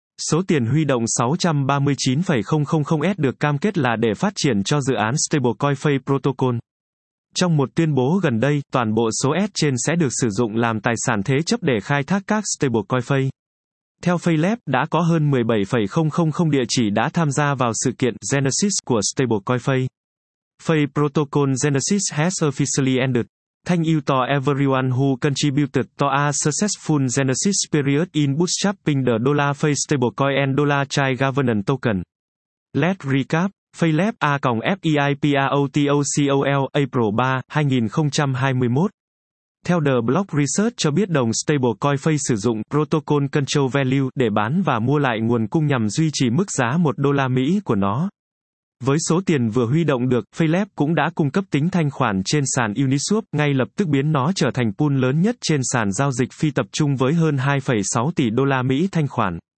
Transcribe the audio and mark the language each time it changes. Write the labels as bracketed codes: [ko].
[vi] Số tiền huy động 639,000 USD được cam kết là để phát triển cho dự án stablecoin Fay Protocol. Trong một tuyên bố gần đây, toàn bộ số S trên sẽ được sử dụng làm tài sản thế chấp để khai thác các stablecoin Fay. Theo Phaylab, đã có hơn 17,000 địa chỉ đã tham gia vào sự kiện Genesis của stablecoin Fay. [en] Fay Protocol Genesis has officially ended. Thank you to everyone who contributed to a successful Genesis period in bootstrapping the dollar Fay stablecoin and dollar chain governance token. Let's recap. Phaylab A-FIPROTOCOL, April 3, 2021. [vi] Theo The Block Research cho biết đồng stablecoin Fay sử dụng protocol control value để bán và mua lại nguồn cung nhằm duy trì mức giá 1 đô la Mỹ của nó. Với số tiền vừa huy động được, Phaylab cũng đã cung cấp tính thanh khoản trên sàn Uniswap, ngay lập tức biến nó trở thành pool lớn nhất trên sàn giao dịch phi tập trung với hơn 2,6 tỷ đô la Mỹ thanh khoản.